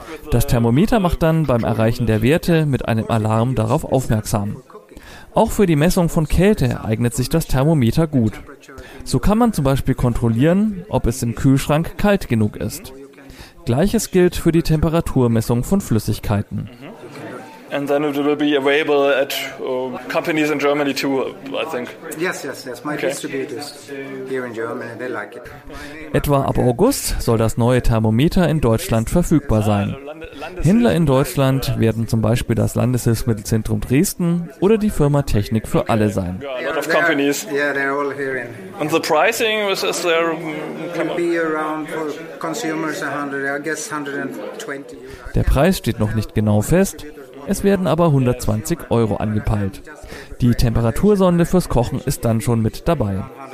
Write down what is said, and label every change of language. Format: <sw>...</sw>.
<de>Das Thermometer macht dann beim Erreichen der Werte mit einem Alarm darauf aufmerksam. Auch für die Messung von Kälte eignet sich das Thermometer gut. So kann man zum Beispiel kontrollieren, ob es im Kühlschrank kalt genug ist. Gleiches gilt für die Temperaturmessung von Flüssigkeiten.</de> <en>And then it will be available at companies in Germany too, I think. Yes. My distributors here in Germany, they like it.</en> <de>Etwa ab August soll das neue Thermometer in Deutschland verfügbar sein. Händler in Deutschland werden zum Beispiel das Landeshilfsmittelzentrum Dresden oder die Firma Technik für alle sein.</de> <en>A lot of companies. Yeah, they're all here in. And the pricing is there? Can be around for consumers 100, I guess 120.</en> <de>Der Preis steht noch nicht genau fest. Es werden aber 120 Euro angepeilt. Die Temperatursonde fürs Kochen ist dann schon mit dabei.</de>